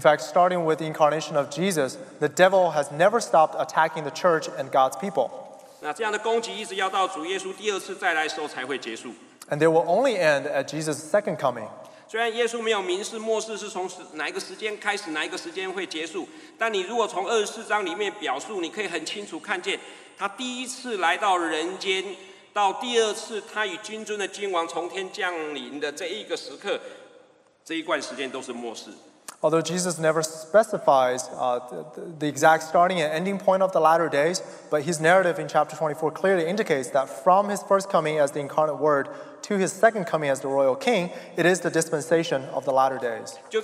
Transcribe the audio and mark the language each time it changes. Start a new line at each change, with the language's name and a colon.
English: fact, starting with the incarnation of Jesus, the devil has never stopped attacking the church and God's people.
Chinese: 那这样的攻击一直要到主耶稣第二次再来的时候才会结束。
English: And they will only end at Jesus' second coming.
Chinese: 虽然耶稣没有明示末世是从哪一个时间开始，哪一个时间会结束，但你如果从24章里面表述，你可以很清楚看见，他第一次来到人间，到第二次他与君尊的君王从天降临的这一个时刻，这一段时间都是末世。
English: Although Jesus never specifies the exact starting and ending point of the latter days, but his narrative in chapter 24 clearly indicates that from his first coming as the incarnate Word to his second coming as the royal king, it is the dispensation of the latter days.